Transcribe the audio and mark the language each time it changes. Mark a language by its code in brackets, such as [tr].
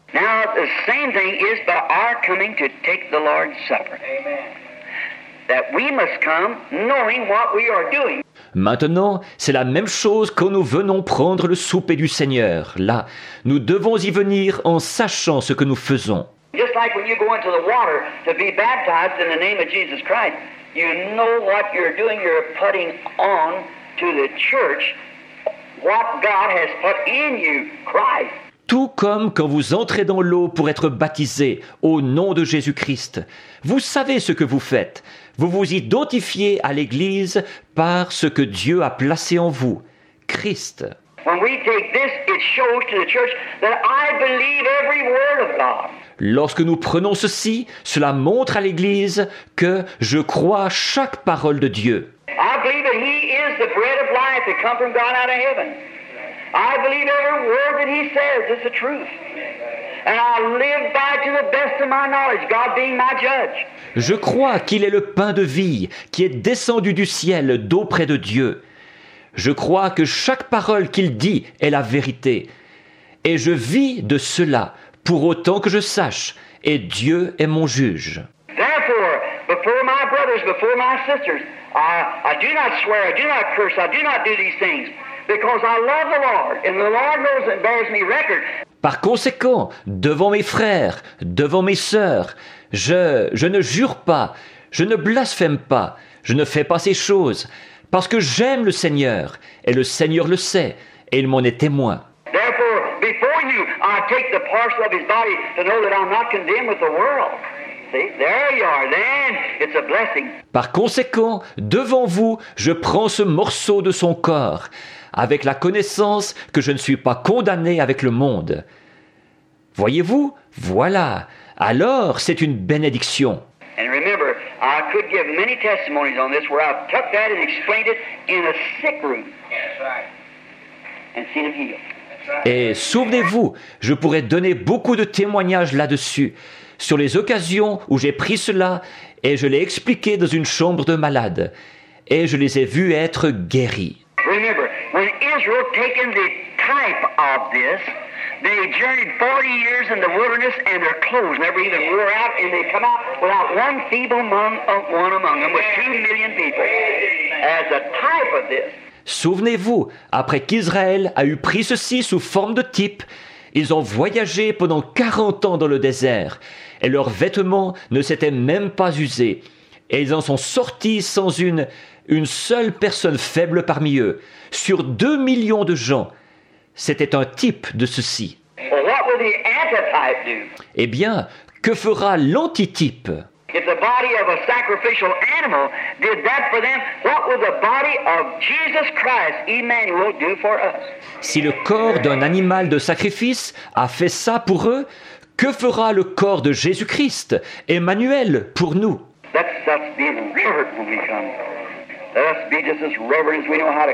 [en] Now, the same thing is by our coming to take the Lord's Supper. Amen. That we must come knowing what we are doing. [fr] Maintenant, c'est la même chose quand nous venons prendre le souper du Seigneur. Là, nous devons y venir en sachant ce que nous faisons. [en] Just like when you go into the water to be baptized in the name of Jesus Christ, you know what you're doing. You're putting on to the church what God has put in you, Christ. [fr] Tout comme quand vous entrez dans l'eau pour être baptisé au nom de Jésus-Christ. Vous savez ce que vous faites. Vous vous identifiez à l'Église par ce que Dieu a placé en vous, Christ. [en] When we take this, it shows to the church that I believe every word of God. [fr] Lorsque nous prenons ceci, cela montre à l'Église que je crois chaque parole de Dieu. [en] I believe that he is the bread of life that come from God out of heaven. I believe every word that he says is the truth. And I live by to the best of my knowledge, God being my judge. [fr] Je crois qu'il est le pain de vie qui est descendu du ciel d'auprès de Dieu. Je crois que chaque parole qu'il dit est la vérité. Et je vis de cela pour autant que je sache, et Dieu est mon juge. [en] Therefore, before my brothers, before my sisters, I do not swear, I do not curse, I do not do these things. Because I love the Lord, and the Lord knows and bears me record. [fr] Par conséquent, devant mes frères, devant mes sœurs, je ne jure pas, je ne blasphème pas, je ne fais pas ces choses, parce que j'aime le Seigneur, et le Seigneur le sait, et il m'en est témoin. [en] Therefore, before you, I take the parcel of his body to know that I'm not condemned with the world. There you are. Then it's a blessing. [fr] Par conséquent, devant vous, je prends ce morceau de son corps, avec la connaissance que je ne suis pas condamné avec le monde. Voyez-vous? Voilà. Alors, c'est une bénédiction. [en] And remember, I could give many testimonies on this where I've took that and explained it in a sick room. That's right. And seen him heal. [fr] Et souvenez-vous, je pourrais donner beaucoup de témoignages là-dessus, sur les occasions où j'ai pris cela et je l'ai expliqué dans une chambre de malade et je les ai vus être guéris. [en] Remember, when Israel taken the type of this, they journeyed 40 years in the wilderness and their clothes never even wore out and they come out without one feeble among them with 2 million people as a type of this. [fr] Souvenez-vous, après qu'Israël a eu pris ceci sous forme de type, ils ont voyagé pendant 40 ans dans le désert et leurs vêtements ne s'étaient même pas usés. Et ils en sont sortis sans une seule personne faible parmi eux, sur 2 millions de gens. C'était un type de ceci. [en] Well, what will the antitype do? [fr] Eh bien, que fera l'antitype? [en] If the body of a sacrificial animal did that for them, what will the body of Jesus Christ, Emmanuel, do for us? [fr] Si le corps d'un animal de sacrifice a fait ça pour eux, que fera le corps de Jésus-Christ, Emmanuel, pour nous? [en] Let's be reverent when we come. Let us be just as reverent as we know how to come.